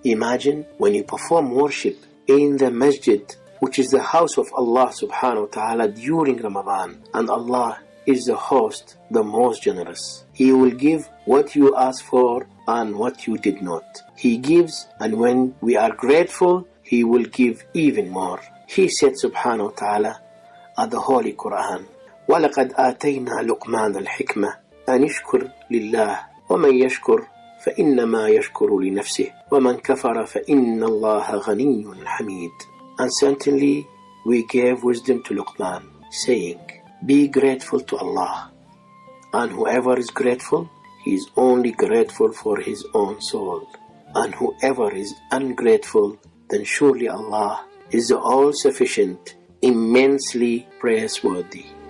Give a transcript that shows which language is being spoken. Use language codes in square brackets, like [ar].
[en] Imagine when you perform worship in the masjid, which is the house of Allah subhanahu wa ta'ala during Ramadan, and Allah is the host, the most generous. He will give what you asked for and what you did not. He gives, and when we are grateful, He will give even more. He said subhanahu wa ta'ala at the Holy Quran, [ar] وَلَقَدْ آتَيْنَا لُقْمَانَ الْحِكْمَةِ أَنْ يَشْكُرْ لِلَّهِ وَمَنْ يَشْكُرْ فَإِنَّمَا يَشْكُرُ لِنَفْسِهِ وَمَنْ كَفَرَ فَإِنَّ اللَّهَ غَنِيٌّ حَمِيدٌ. [en] And certainly we gave wisdom to Luqman, saying, be grateful to Allah. And whoever is grateful, he is only grateful for his own soul. And whoever is ungrateful, then surely Allah is the all-sufficient, immensely praiseworthy.